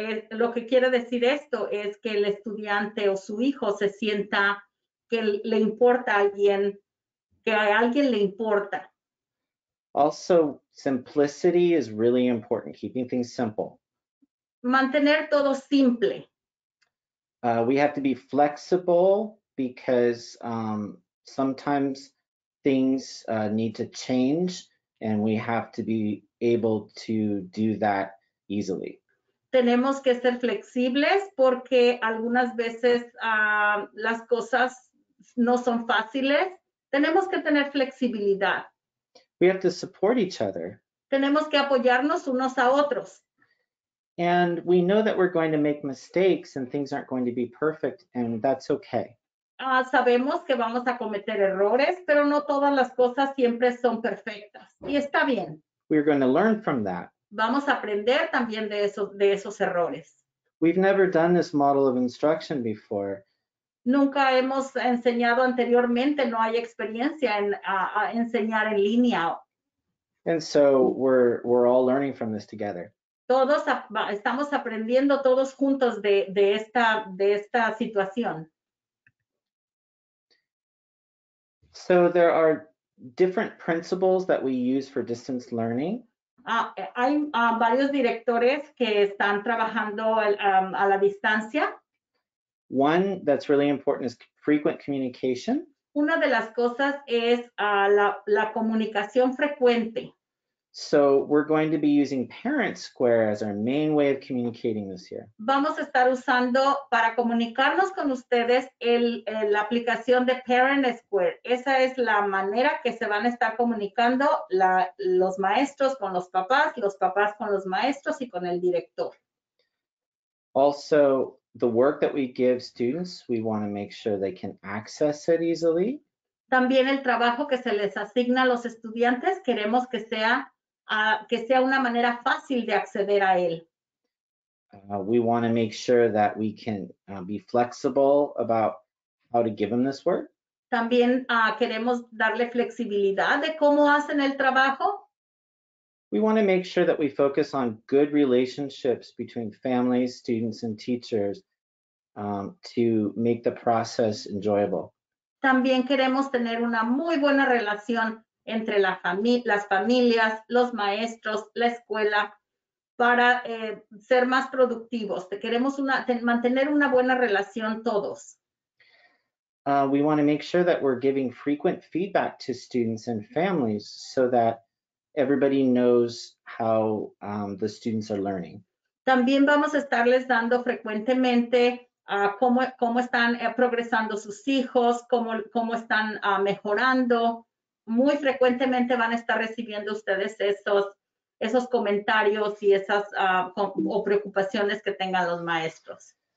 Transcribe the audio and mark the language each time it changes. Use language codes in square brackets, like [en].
[es] Lo que quiere decir esto es que el estudiante o su hijo se sienta que le importa a alguien, que a alguien le importa. [en] Also, simplicity is really important, keeping things simple. [es] Mantener todo simple. [en] We have to be flexible because sometimes things need to change and we have to be able to do that easily. [es] Tenemos que ser flexibles porque algunas veces las cosas no son fáciles. Tenemos que tener flexibilidad. [en] We have to support each other. [es] Tenemos que apoyarnos unos a otros. [en] And we know that we're going to make mistakes and things aren't going to be perfect, and that's okay. [es] Sabemos que vamos a cometer errores, pero no todas las cosas siempre son perfectas. Y está bien. [en] We're going to learn from that. [es] Vamos a aprender también de esos errores. [en] We've never done this model of instruction before. [es] Nunca hemos enseñado anteriormente, no hay experiencia en enseñar en línea. [en] And so we're all learning from this together. [es] Todos estamos aprendiendo todos juntos de esta situación. [en] So there are different principles that we use for distance learning. [es] Hay varios directores que están trabajando a la distancia. [en] One that's really important is frequent communication. [es] Una de las cosas es la comunicación frecuente. [en] So we're going to be using Parent Square as our main way of communicating this year. [es] Vamos a estar usando para comunicarnos con ustedes la aplicación de Parent Square. Esa es la manera que se van a estar comunicando los maestros con los papás con los maestros y con el director. [en] Also, the work that we give students, we want to make sure they can access it easily. [es] También el trabajo que se les asigna a los estudiantes, queremos que sea una manera fácil de acceder a él. [en] We want to make sure that we can be flexible about how to give them this work. [es] También queremos darle flexibilidad de cómo hacen el trabajo. [en] We want to make sure that we focus on good relationships between families, students, and teachers to make the process enjoyable. [es] También queremos tener una muy buena relación entre la las familias, los maestros, la escuela, para ser más productivos. Queremos mantener una buena relación todos. [en] We want to make sure that we're giving frequent feedback to students and families so that everybody knows how the students are learning. [es] También vamos a estarles dando frecuentemente cómo están progresando sus hijos, cómo están mejorando. Muy frecuentemente van a estar recibiendo ustedes esos comentarios y esas o preocupaciones que tengan los maestros.